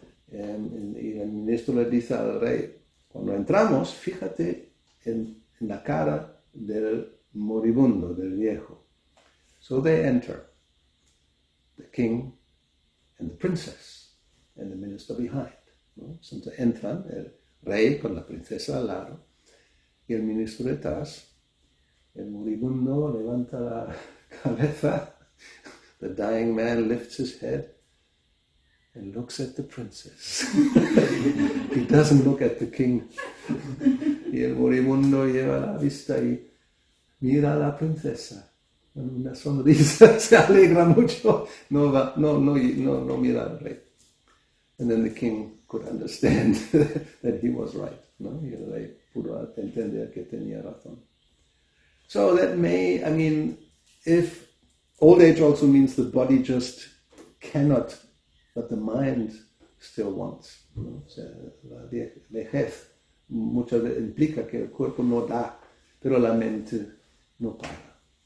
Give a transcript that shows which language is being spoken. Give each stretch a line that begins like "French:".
Spanish: And el ministro le dice al rey, cuando entramos, fíjate en la cara del moribundo, del viejo.
English: So they enter, the king and the princess, and the minister behind.
Spanish: ¿No? Entonces entran el rey con la princesa al lado, y el ministro detrás. El moribundo levanta la cabeza,
English: the dying man lifts his head, and looks at the princess. He doesn't look at the king.
Spanish: Y el moribundo lleva la vista y mira a la princesa con una sonrisa, se alegra mucho, no mira al rey.
English: And then the king could understand that he was right, ¿no?
Spanish: Y el rey pudo entender que tenía razón.
English: So that may, I mean, if old age also means the body just cannot, but the mind still wants. ¿No?
Spanish: O sea, la vejez muchas veces implica que el cuerpo no da, pero la mente no para.